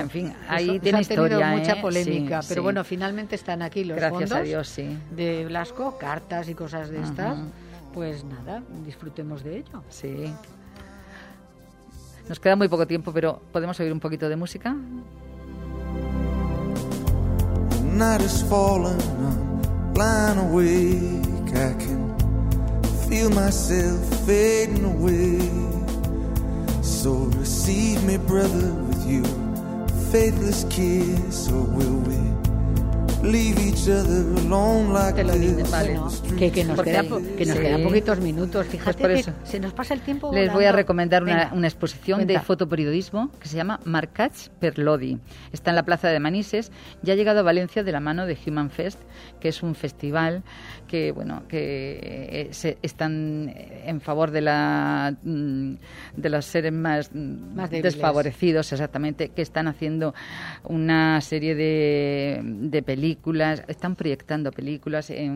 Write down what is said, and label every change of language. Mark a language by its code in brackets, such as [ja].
[es] En fin, ahí eso, tiene historia. Han tenido mucha, ¿eh?, polémica, sí, pero sí. Bueno, finalmente están aquí los gracias fondos a Dios, sí, de Blasco, cartas y cosas de estas. Pues nada, disfrutemos de ello. Sí. Nos queda muy poco tiempo, pero ¿podemos oír un poquito de música? [en] Night is falling, I'm blind awake. I can feel myself fading away. So receive me, brother, with your faithless kiss, or will we leave each other alone like this? [es] Vale, no. que nos queda, que nos, sí, quedan poquitos minutos. Fíjate, pues que se nos pasa el tiempo. Les voy a recomendar una exposición. Venga. De fotoperiodismo que se llama Marcats per Lodi. Está en la Plaza de Manises. Ya ha llegado a Valencia de la mano de Human Fest, que es un festival que, bueno, que están en favor de los seres más desfavorecidos, exactamente, que están haciendo una serie de películas, están proyectando películas